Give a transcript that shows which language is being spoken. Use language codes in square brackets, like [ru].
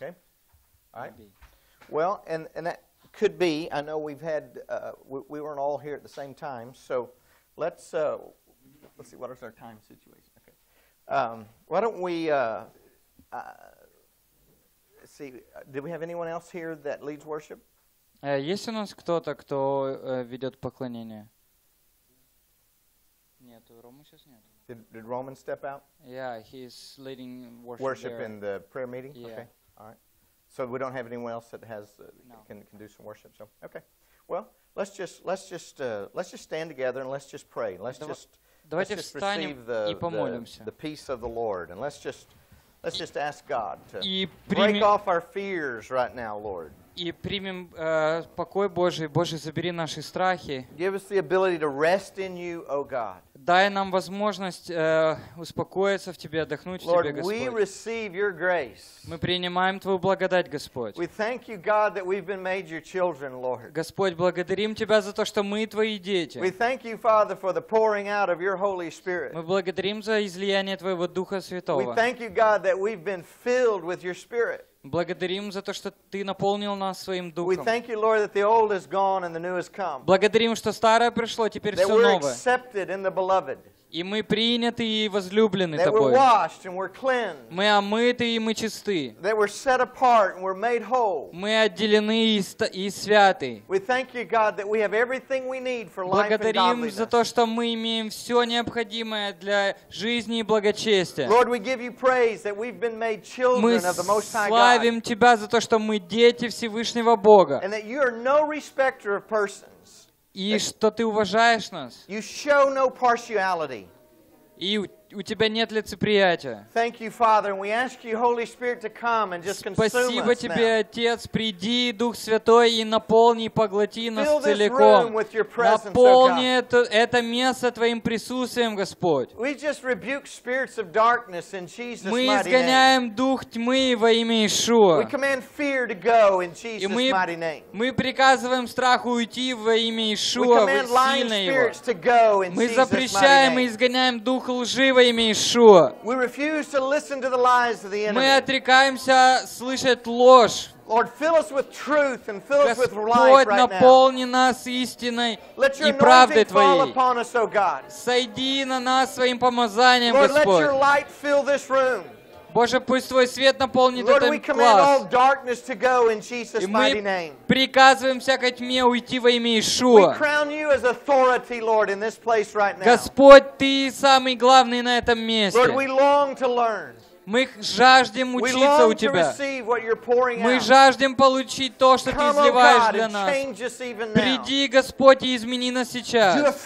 [en] Okay. All maybe. Right. Well, and that could be. I know we've had we weren't all here at the same time. So let's see. What is our time situation? Okay. Why don't we? See, do we have anyone else here that leads worship? [ru] Есть у нас кто-то, кто ведет поклонение? Нет, Рома сейчас нет. [en] Did Roman step out? Yeah, he's leading worship. Worship there. In the prayer meeting. Yeah. Okay. All right. So we don't have anyone else that has can do some worship. So okay. Well, let's just stand together and let's just pray. Let's just receive the peace of the Lord and let's just ask God to break off our fears right now, Lord. [ru] И примем покой Божий. Боже, забери наши страхи. [en] Give us the ability to rest in you, O God. [ru] Дай нам возможность успокоиться в Тебе, отдохнуть [en] Lord, [ru] в Тебе, [en] Господь. We receive your grace. [ru] Мы принимаем Твою благодать, Господь. [en] We thank you, God, that we've been made your children, Lord. [ru] Господь, благодарим Тебя за то, что мы Твои дети. [en] We thank you, Father, for the pouring out of your Holy Spirit. [ru] Мы благодарим за излияние Твоего Духа Святого. [en] We thank you, God, that we've been filled with your Spirit. [ru] Благодарим за то, что Ты наполнил нас своим духом. [en] We thank you, Lord, that the old is gone and the new has come. [ru] Благодарим, что старое пришло, теперь [en] that we're [ru] новое. [en] Accepted in the beloved. [ru] И мы приняты и возлюблены [en] that [ru] Тобой. [en] We're washed and we're cleansed. [ru] Мы омыты и мы чисты. [en] That we're set apart and we're made whole. [ru] Мы отделены и святы. [en] We thank you, God, that we have everything we need for life and godliness. [ru] Благодарим за то, что мы имеем все необходимое для жизни и благочестия. [en] Lord, we give you praise that we've been made children of the Most High God. [ru] Мы славим Тебя за то, что мы дети Всевышнего Бога. [en] And that you are no respecter of persons. [ru] И что ты уважаешь нас. [en] You show no partiality. [ru] И у тебя нет лицеприятия. [en] Thank you, Father, and we ask you, Holy Spirit, to come and just consume us now. [ru] Спасибо тебе, Отец, приди, Дух Святой, и наполни, поглоти нас целиком. Наполни это место твоим присутствием, Господь. [en] We just rebuke spirits of darkness in Jesus' mighty name. [ru] Мы изгоняем дух тьмы во имя Иешуа. [en] We command fear to go in Jesus' mighty name. [ru] Мы приказываем страху уйти во имя Иешуа, в сильное его. [en] We command lying spirits to go in Jesus' mighty name. [ru] Мы запрещаем и изгоняем дух лжи. [en] We refuse to listen to the lies of the enemy. [ru] Мы отрекаемся слышать ложь. [en] Lord, fill us with truth and fill us with life right now. [ru] Господь, наполни нас истиной и правдой Твоей. [en] Let your anointing fall upon us, O God. [ru] Сойди на нас своим помазанием, Господь. [en] Lord, let your light fill this room. [ru] Боже, пусть Твой свет наполнит этот класс. [en] Lord, we command all darkness to go in Jesus' mighty name. [ru] Мы приказываем всякой тьме уйти во имя Иешуа. [en] We crown you as authority, Lord, in this place right now. [ru] Господь, Ты самый главный на этом месте. [en] Lord, we long to learn. [ru] Мы жаждем учиться у Тебя. Мы жаждем получить то, что Ты изливаешь для нас. Приди, Господь, и измени нас сейчас.